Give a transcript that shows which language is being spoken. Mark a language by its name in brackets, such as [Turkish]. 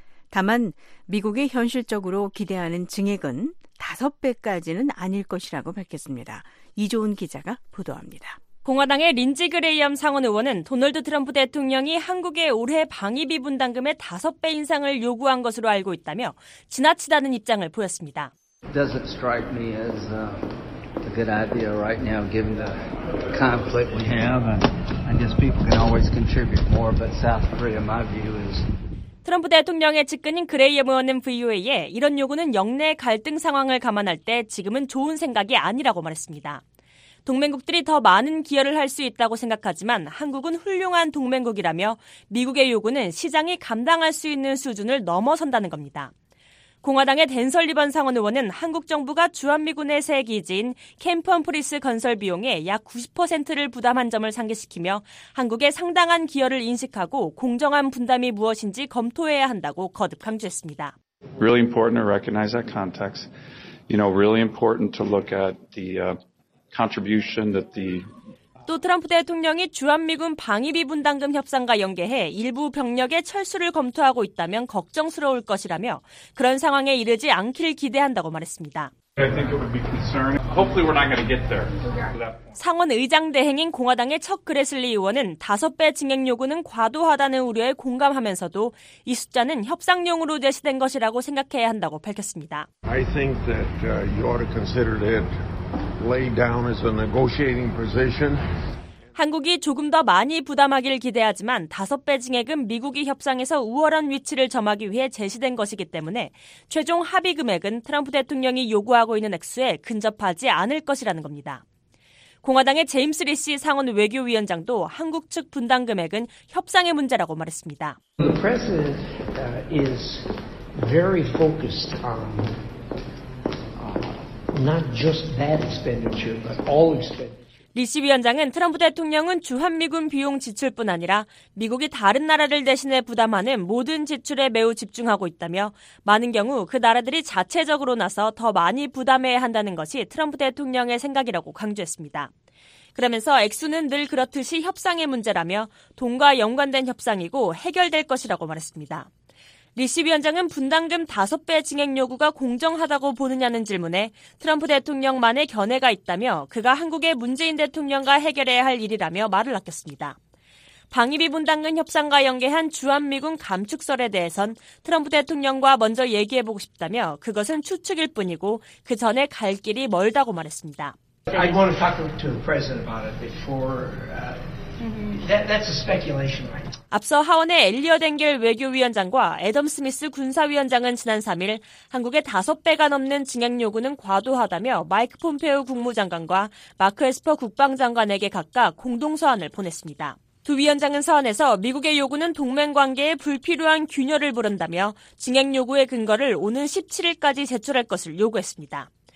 [Korean] 다만 미국이 현실적으로 기대하는 증액은 5배까지는 아닐 것이라고 밝혔습니다. 이조은 기자가 보도합니다. 공화당의 린지 그레이엄 상원 의원은 도널드 트럼프 대통령이 한국의 올해 방위비 분담금의 5배 인상을 요구한 것으로 알고 있다며 지나치다는 입장을 보였습니다. [English] Doesn't strike me as a good idea right now given the conflict we have and I guess people can always contribute more but South Korea my view is [Korean] 트럼프 대통령의 측근인 그레이엄 의원은 VOA에 이런 요구는 영내 갈등 상황을 감안할 때 지금은 좋은 생각이 아니라고 말했습니다. 동맹국들이 더 많은 기여를 할 수 있다고 생각하지만 한국은 훌륭한 동맹국이라며 미국의 요구는 시장이 감당할 수 있는 수준을 넘어선다는 겁니다. 공화당의 댄 설리번 상원 의원은 한국 정부가 주한미군의 새 기지인 캠프 험프리스 건설 비용의 약 90%를 부담한 점을 상기시키며 한국의 상당한 기여를 인식하고 공정한 분담이 무엇인지 검토해야 한다고 거듭 강조했습니다. [English] Really important to recognize that context. You know, really important to look at the contribution that the [Korean] 또 트럼프 대통령이 주한미군 방위비 분담금 협상과 연계해 일부 병력의 철수를 검토하고 있다면 걱정스러울 것이라며 그런 상황에 이르지 않길 기대한다고 말했습니다. 상원 의장 대행인 공화당의 척 그레슬리 의원은 5배 증액 요구는 과도하다는 우려에 공감하면서도 이 숫자는 협상용으로 제시된 것이라고 생각해야 한다고 밝혔습니다. [English] I think that you ought to consider it. Lay down as a negotiating position. [Korean] 한국이 조금 더 많이 부담하길 기대하지만 5배 증액은 미국이 협상에서 우월한 위치를 점하기 위해 제시된 것이기 때문에 최종 합의 금액은 트럼프 대통령이 요구하고 있는 액수에 근접하지 않을 것이라는 겁니다. 공화당의 제임스 리시 상원 외교위원장도 한국 측 분담 금액은 협상의 문제라고 말했습니다. [English] The president is very focused on not just that expenditure but all expenditure. [Korean] 리시 위원장은 트럼프 대통령은 주한미군 비용 지출뿐 아니라 미국이 다른 나라를 대신해 부담하는 모든 지출에 매우 집중하고 있다며 많은 경우 그 나라들이 자체적으로 나서 더 많이 부담해야 한다는 것이 트럼프 대통령의 생각이라고 강조했습니다. 그러면서 액수는 늘 그렇듯이 협상의 문제라며 돈과 연관된 협상이고 해결될 것이라고 말했습니다. 리시 위원장은 분담금 5배 증액 요구가 공정하다고 보느냐는 질문에 트럼프 대통령만의 견해가 있다며 그가 한국의 문재인 대통령과 해결해야 할 일이라며 말을 아꼈습니다. 방위비 분담금 협상과 연계한 주한미군 감축설에 대해선 트럼프 대통령과 먼저 얘기해보고 싶다며 그것은 추측일 뿐이고 그 전에 갈 길이 멀다고 말했습니다. [English] I want to talk to the president about it before. That's a speculation, right? [Korean] 앞서 하원의 엘리엇 앵겔 외교위원장과 애덤 스미스 군사위원장은 지난 3일 한국의 5배가 넘는 증액 요구는 과도하다며 마이크 폼페오 국무장관과 마크 에스퍼 국방장관에게 각각 공동서한을 보냈습니다. 두 위원장은 서한에서 미국의 요구는 동맹관계에 불필요한 균열을 부른다며 증액 요구의 근거를 오는 17일까지 제출할 것을 요구했습니다.